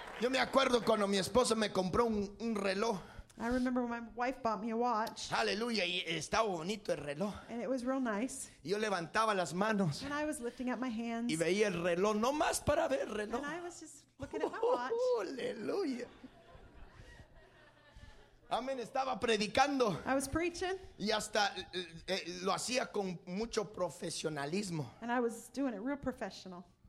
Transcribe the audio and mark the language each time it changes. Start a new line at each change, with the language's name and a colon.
Spanish: Yo me acuerdo cuando mi esposa me compró un reloj.
English: I remember when my wife bought me a watch.
Spanish: Aleluya, y estaba bonito el reloj.
English: And it was real nice.
Spanish: Y yo levantaba las manos.
English: And I was lifting up my hands.
Spanish: Y veía el reloj, no más para ver el reloj.
English: And I was just looking at my watch. Aleluya.
Spanish: Amén, estaba predicando.
English: I was preaching.
Spanish: Y hasta lo hacía con mucho profesionalismo.
English: And I was doing it real professional.